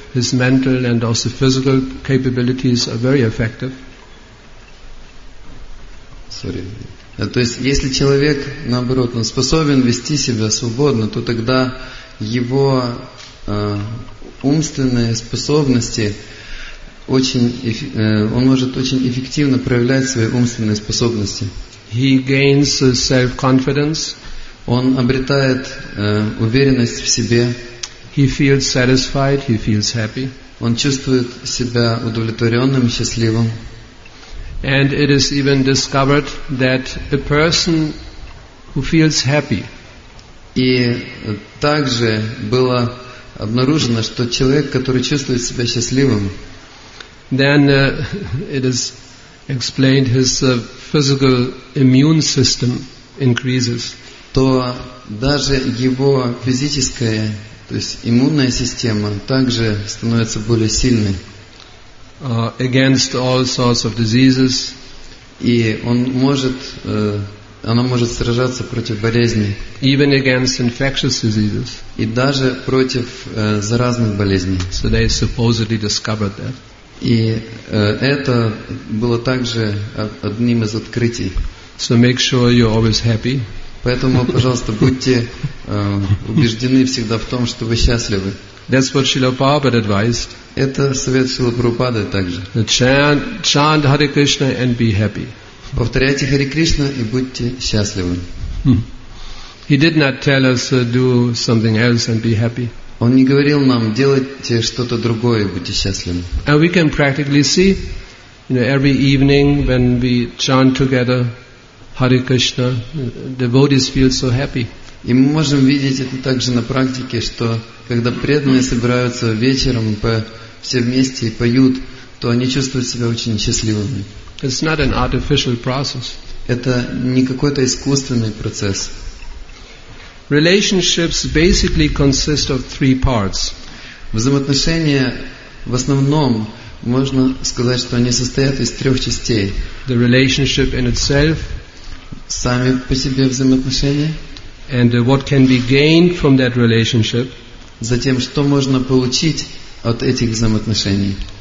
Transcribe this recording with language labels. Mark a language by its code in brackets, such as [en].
[en] His mental and also physical capabilities are very effective. Sorry. [ru] То есть, если человек, наоборот, он способен вести себя свободно, то тогда его умственные способности он может очень эффективно проявлять свои умственные способности. [en] He gains self-confidence. [ru] Он обретает уверенность в себе. [en] He feels satisfied, he feels happy. [ru] Он чувствует себя удовлетворенным, счастливым. [en] And it is even discovered that a person who feels happy. [ru] И также было обнаружено, что человек, который чувствует себя счастливым, [en] then it is explained his physical immune system increases. [ru] То даже его физическая, то есть иммунная система, также становится более сильной. [en] Against all sorts of diseases. [ru] И он может, она может сражаться против болезней. [en] Even against infectious diseases. [ru] И даже против заразных болезней. [en] So they supposedly discovered that. [ru] И это было также одним из открытий. [en] So make sure you're always happy. [ru] Поэтому, пожалуйста, будьте убеждены всегда в том, что вы счастливы. [en] That's what Srila Prabhupada advised. [ru] Это совет Шрилы Прабхупады также. [en] Chant Hare Krishna and be happy. [ru] Повторяйте Харе Кришна и будьте счастливы. [en] He did not tell us to do something else and be happy. [ru] Он не говорил нам делать что-то другое и будьте счастливы. [en] And we can practically see, you know, every evening when we chant together Hare Krishna, devotees feel so happy. [ru] И мы можем видеть это также на практике, что когда преданные собираются вечером все вместе и поют, то они чувствуют себя очень счастливыми. [en] It's not an artificial process. [ru] Это не какой-то искусственный процесс. [en] Relationships basically consist of three parts. [ru] Взаимоотношения в основном можно сказать, что они состоят из трех частей. [en] The relationship in itself. [ru] Сами по себе взаимоотношения. [en] And what can be gained from that relationship. [ru] Затем, что можно получить от этих взаимоотношений.